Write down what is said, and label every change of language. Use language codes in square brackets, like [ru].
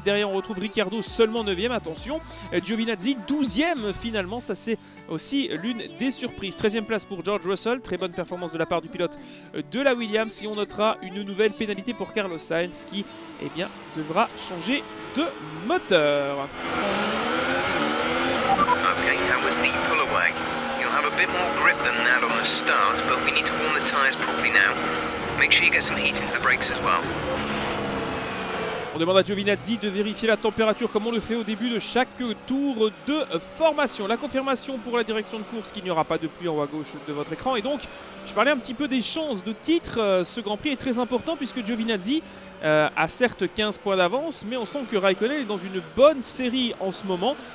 [fr] Derrière, on retrouve Ricciardo seulement 9e, attention. Giovinazzi 12e finalement, ça c'est aussi l'une des surprises. 13e place pour George Russell, très bonne performance de la part du pilote de la Williams. Si on notera une nouvelle pénalité pour Carlos Sainz qui, eh bien, devra changer de moteur. [en] Okay, that was the pull away. You'll have a bit more grip than that on the start, but we need to warm the tires properly now. Make sure you get some heat into the brakes as well. [fr] On demande à Giovinazzi de vérifier la température comme on le fait au début de chaque tour de formation. La confirmation pour la direction de course qu'il n'y aura pas de pluie en haut à gauche de votre écran. Et donc, je parlais un petit peu des chances de titre. Ce Grand Prix est très important puisque Giovinazzi a certes 15 points d'avance, mais on sent que Raikkonen est dans une bonne série en ce moment.